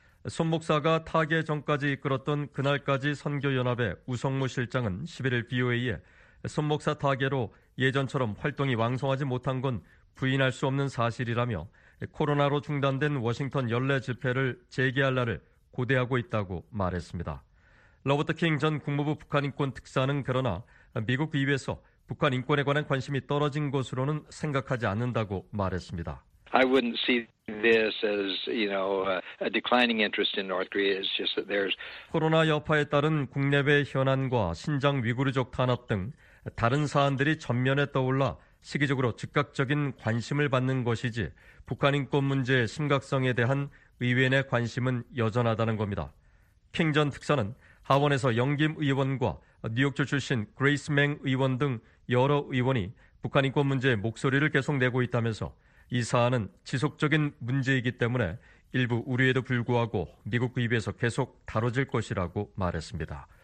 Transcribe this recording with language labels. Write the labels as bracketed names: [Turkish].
[Korean] 손 목사가 타계 전까지 이끌었던 그날까지 선교연합의 우성무 실장은 11일 BOA에 손 목사 타계로 예전처럼 활동이 왕성하지 못한 건 부인할 수 없는 사실이라며 코로나로 중단된 워싱턴 연례 집회를 재개할 날을 고대하고 있다고 말했습니다. 로버트 킹 전 국무부 북한인권특사는 그러나 미국 의회에서 북한 인권에 관한 관심이 떨어진 것으로는 생각하지 않는다고 말했습니다. [English] I wouldn't see this as, you know, a declining interest in North Korea. It's just that there's [Korean] 코로나 여파에 따른 국내외 현안과 신장 위구르족 탄압 등 다른 사안들이 전면에 떠올라 시기적으로 즉각적인 관심을 받는 것이지 북한 인권 문제의 심각성에 대한 의회 내 관심은 여전하다는 겁니다. 킹 전 특사는 하원에서 영김 의원과 뉴욕주 출신 그레이스 맹 의원 등 여러 의원이 북한 인권 문제의 목소리를 계속 내고 있다면서 이 사안은 지속적인 문제이기 때문에 일부 우려에도 불구하고 미국 의회에서 계속 다뤄질 것이라고 말했습니다.